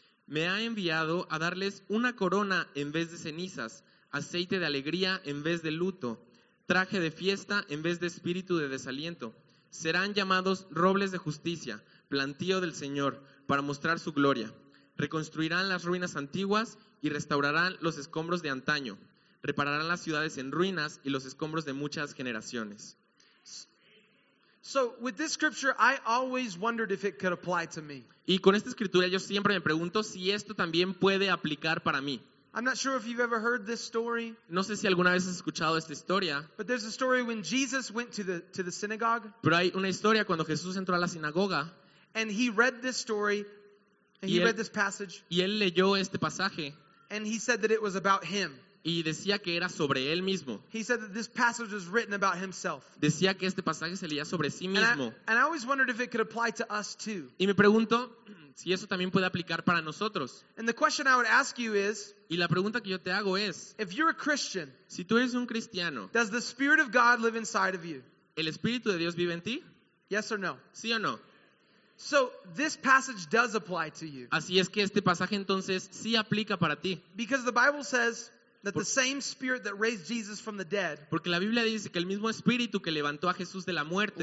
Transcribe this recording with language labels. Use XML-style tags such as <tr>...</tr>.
<es>Me ha enviado a darles una corona en vez de cenizas, aceite de alegría en vez de luto, traje de fiesta en vez de espíritu de desaliento. Serán llamados robles de justicia, plantío del Señor, para mostrar su gloria. Reconstruirán las ruinas antiguas y restaurarán los escombros de antaño. Repararán las ciudades en ruinas y los escombros de muchas generaciones.</es> <en>So, with this scripture, I always wondered if it could apply to me.</en> <es>Y con esta escritura yo siempre me pregunto si esto también puede aplicar para mí.</es> <en>I'm not sure if you've ever heard this story.</en> <es>No sé si alguna vez has escuchado esta historia.</es> <en>But there's a story when Jesus went to the synagogue.</en> <es>Pero hay una historia cuando Jesús entró a la sinagoga.</es> <en>And he read this story, and he read this passage.</en> <es>Y él leyó este pasaje.</es> <en>And he said that it was about him.</en> <es>Y decía que era sobre él mismo.</es> <en>He said that this passage was written about himself.</en> <es>Decía que este pasaje se leía sobre sí mismo.</es> <en>And I always wondered if it could apply to us too.</en> <es>Y me pregunto si eso también puede aplicar para nosotros.</es> <en>And the question I would ask you is,</en> <es>y la pregunta que yo te hago es,</es> <en>if you're a Christian,</en> <es>si tú eres un cristiano,</es> <en>does the Spirit of God live inside of you?</en> <es>¿El Espíritu de Dios vive en ti?</es> <en>Yes or no?</en> <es>¿Sí o no?</es> <en>So this passage does apply to you.</en> <es>Así es que este pasaje entonces sí aplica para ti.</es> <en>Because the Bible says that the same Spirit that raised Jesus from the dead,</en> <es>porque la Biblia dice que el mismo Espíritu que levantó a Jesús de la muerte,</es>